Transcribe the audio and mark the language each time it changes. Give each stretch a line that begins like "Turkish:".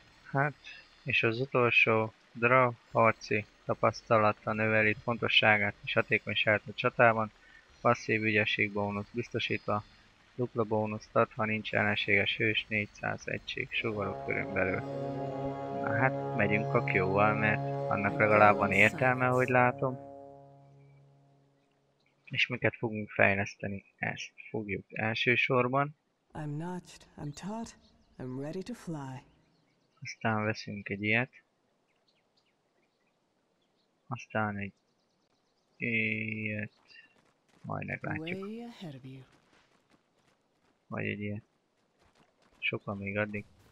Hungarian: Hát, és az utolsó Drow harci tapasztalata növeli pontosságát és hatékonyságát a csatában, passzív ügyesség bónusz biztosítva, dupla bónuszt ad, ha nincs ellenséges hős 400 egység sugarok körülbelül. Na hát, megyünk a Q-val, mert annak legalább van értelme, ahogy látom. És miket fogunk fejleszteni? Ezt fogjuk elsősorban.
English: I'm notched, I'm taut, I'm ready to fly.
Hungarian: Aztán veszünk egy ilyet. Aztán egy ilyet. Majd meglátjuk. Vagy egy ilyet. Sokan még addig.